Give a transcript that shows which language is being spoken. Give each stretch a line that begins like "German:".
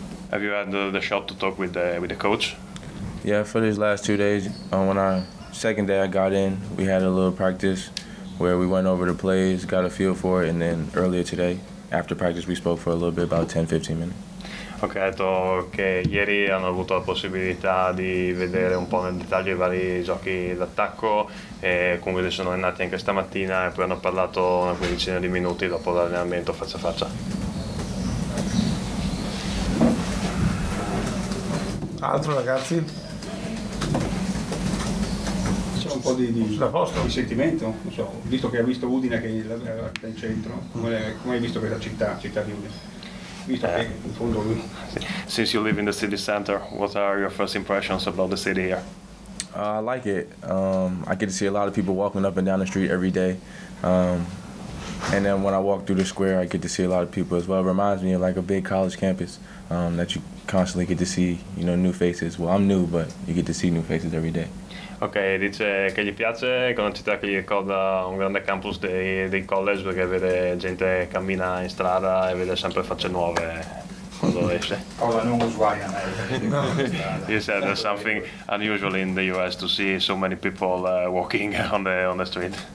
English: Have you had the shot to talk with the coach? Yeah, for these last two days, second day I got in, we had a little practice where we went over the plays, got a feel for it, and then earlier today, after practice, we spoke for a little bit, about 10-15 minutes.
Italian: Ok, ha detto che ieri hanno avuto la possibilità di vedere un po' nel dettaglio i vari giochi d'attacco, e comunque sono andati anche stamattina e poi hanno parlato una quindicina di minuti dopo l'allenamento faccia a faccia. Altro ragazzi? C'è un po' po' di sentimento, non so, visto che ha visto Udine che è in centro, come hai visto questa città di Udine?
English: Since you live in the city center, what are your first impressions about the city here? I like it. I get to see a lot of people walking up and down the street every day. And then when I walk through the square, I get to see a lot of people as well. It reminds me of like a big college campus that you constantly get to see, you know, new faces. Well, I'm new, but you get to see new faces every day.
Italian: Ok, dice che gli piace, con una città che gli ricorda un grande campus dei college, perché vede gente che cammina in strada e vede sempre facce nuove quando esce. Oh, non usuaia.
English: He said there's something unusual in the US to see so many people walking on the street.